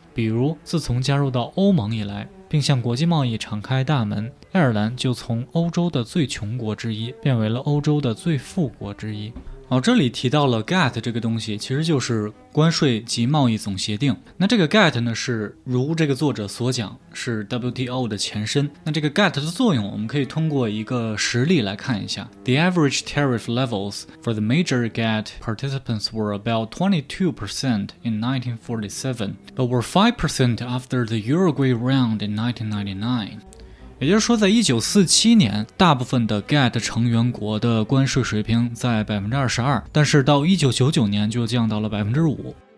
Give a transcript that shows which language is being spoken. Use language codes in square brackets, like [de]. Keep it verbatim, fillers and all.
[zh] 比如自从加入到欧盟以来，并向国际贸易敞开大门，爱尔兰就从欧洲的最穷国之一变为了欧洲的最富国之一。哦，这里提到了 G A T T 这个东西，其实就是关税及贸易总协定。那这个 G A T T 呢，是如这个作者所讲，是 W T O 的前身。那这个 G A T T 的作用，我们可以通过一个实例来看一下。 [en] The average tariff levels for the major G A T T participants were about twenty-two percent in nineteen forty-seven, but were five percent after the Uruguay round in nineteen ninety-nine. [zh] 也就是说，在一九四七年，大部分的 G A T T 成员国的关税水平在 百分之二十二， 但是到一九九九年就降到了 百分之五。